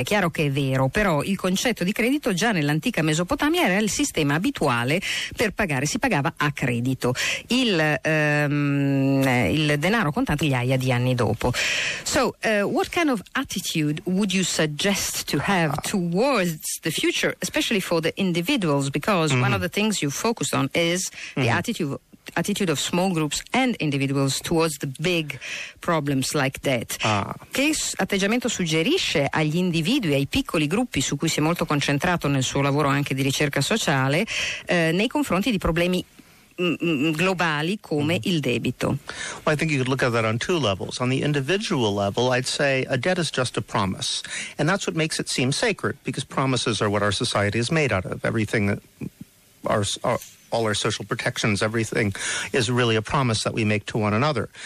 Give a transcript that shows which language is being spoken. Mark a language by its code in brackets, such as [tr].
[it] È chiaro che è vero, però il concetto di credito già nell'antica Mesopotamia era il sistema abituale per pagare, si pagava a credito. Il denaro contante migliaia di anni dopo. [en] So, what kind of attitude would you suggest to have towards the future, especially for the individuals, because mm-hmm. one of the things you focused on is the mm-hmm. attitude attitude of small groups and individuals towards the big problems like debt. [it] Che atteggiamento suggerisce agli individui, ai piccoli gruppi su cui si è molto concentrato nel suo lavoro anche di ricerca sociale, nei confronti di problemi globali come il debito? [en] Well, I think you could look at that on two levels. On the individual level, I'd say a debt is just a promise. And that's what makes it seem sacred, because promises are what our society is made out of. Everything that all our social protections, everything is really a promise that we make to one another.